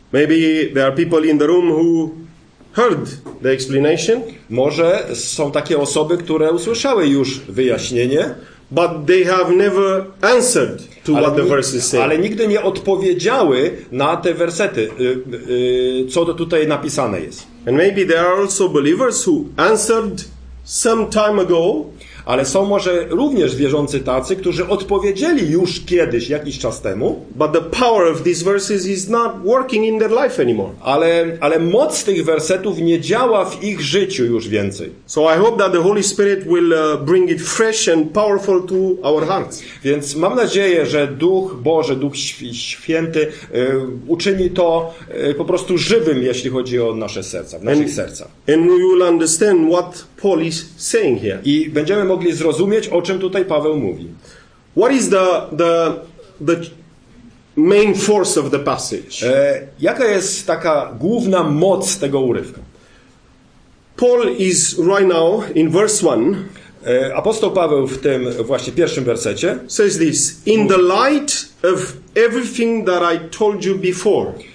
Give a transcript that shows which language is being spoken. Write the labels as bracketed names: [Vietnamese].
[English] Maybe there are people in the room who heard the explanation. [Polish] Może są takie osoby, które usłyszały już wyjaśnienie, [English] but they have never answered to what the verses say. [Polish] Ale nigdy nie odpowiedziały na te wersety, co to tutaj napisane jest. [English] And maybe there are also believers who answered some time ago. [Polish] Ale są może również wierzący tacy, którzy odpowiedzieli już kiedyś, jakiś czas temu. [English] But the power of these verses is not working in their life anymore. [Polish] Ale moc tych wersetów nie działa w ich życiu już więcej. [English] So I hope that the Holy Spirit will bring it fresh and powerful to our hearts. [Polish] Więc mam nadzieję, że Duch Boży, Duch Święty uczyni to po prostu żywym, jeśli chodzi o nasze serca, naszych serca. [English] And we will understand what Paul is saying here. [Polish] I będziemy mogli zrozumieć, o czym tutaj Paweł mówi. [English] What is the main force of the passage? [Polish] Jaka jest taka główna moc tego urywka? [English] Paul is right now in verse 1. [Polish] Apostoł Paweł w tym właśnie pierwszym wersecie [English] says this: in the light of everything that I told you before.